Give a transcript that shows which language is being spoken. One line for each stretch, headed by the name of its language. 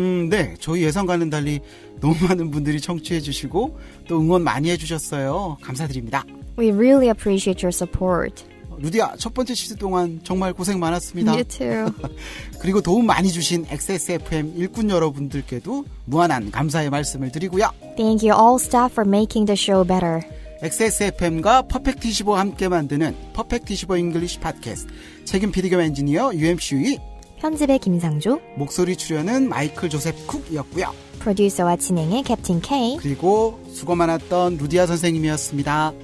Korean: 네, 저희 예상과는 달리 너무 많은 분들이 청취해 주시고 또 응원 많이 해주셨어요. 감사드립니다.
English: We really appreciate your support.
Korean: 루디야, 첫 번째 시즌 동안 정말 고생 많았습니다.
English: Me too.
Korean: 그리고 도움 많이 주신 XSFM 일꾼 여러분들께도 무한한 감사의 말씀을 드리고요.
English: Thank you all staff for making the show better.
Korean: XSFM과 퍼펙트25 함께 만드는 퍼펙트25 잉글리시 팟캐스트. 책임 PD 겸 엔지니어 UMCU이. 편집의 김상조. 목소리 출연은 마이클 조셉 쿡이었고요. 프로듀서와 진행의 캡틴 K. 그리고 수고 많았던 루디아 선생님이었습니다.